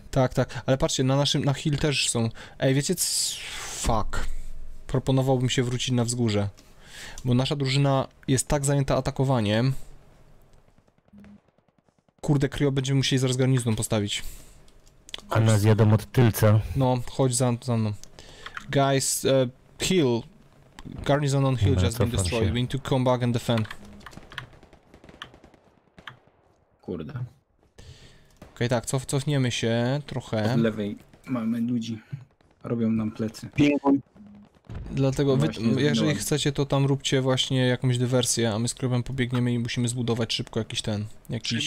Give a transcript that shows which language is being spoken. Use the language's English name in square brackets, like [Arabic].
[Polish] Tak, ale patrzcie, na hill też są. Ej, wiecie co? Fuck. Proponowałbym się wrócić na wzgórze. Bo nasza drużyna jest tak zajęta atakowaniem. Kurde, Kryo, będziemy musieli zaraz garnizon postawić. Chodź. A nas jadą od tylca. No, chodź za mną. [English] Guys, hill. Garnizon on hill just been destroyed. We need to come back and defend. [Polish] Kurde. Okej, tak, cofniemy się trochę. Od lewej mamy ludzi. Robią nam plecy. Dlatego, jeżeli chcecie, to tam róbcie właśnie jakąś dywersję, a my z Krobem pobiegniemy i musimy zbudować szybko jakiś ten, jakiś...